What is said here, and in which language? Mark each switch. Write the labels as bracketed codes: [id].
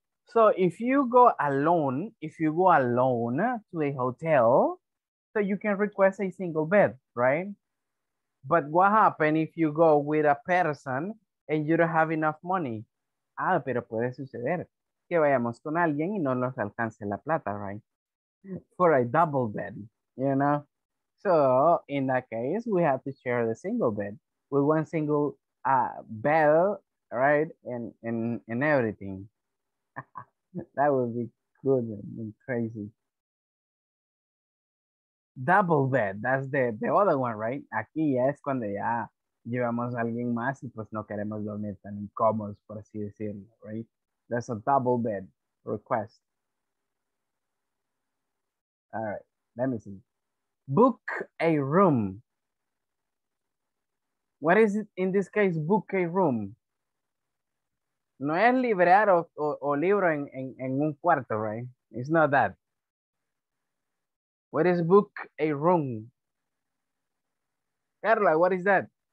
[en] So if you go alone to a hotel, so you can request a single bed, right? But what happens if you go with a person and you don't have enough money? [es] Ah, pero puede suceder que vayamos con alguien y no nos alcance la plata, right? [en] For a double bed, you know? So in that case, we have to share the single bed with one single bed, right? And everything. That would be good and crazy. Double bed, that's the other one, right? [es] Aquí ya es cuando ya llevamos a alguien más y pues no queremos dormir tan incómodos, por así decirlo, right? [en] That's a double bed request. All right, let me see. Book a room. What is it in this case, book a room? [es] No es librar o libro en un cuarto, right? [en] It's not that. What is book a room? Carla, what is that?